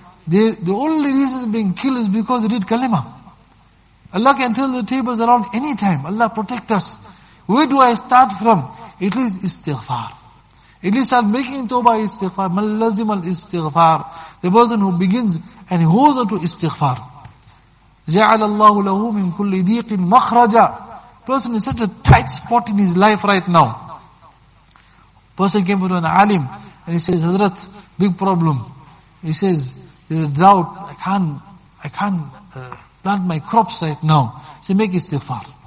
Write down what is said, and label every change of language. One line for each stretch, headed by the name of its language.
English: The only reason being killed is because they did kalima. Allah can turn the tables around any time. Allah protect us. Where do I start from? At least istighfar. At least start making tawbah istighfar. Man lazim al istighfar. The person who begins and holds on to istighfar.
Arabic: جعل الله له من كل ضيق مخرجا.
English: Person is such a tight spot in his life right now. Person came to an alim and he says, Hazrat, big problem. He says, there's a drought. I can't plant my crops right now. So make istighfar.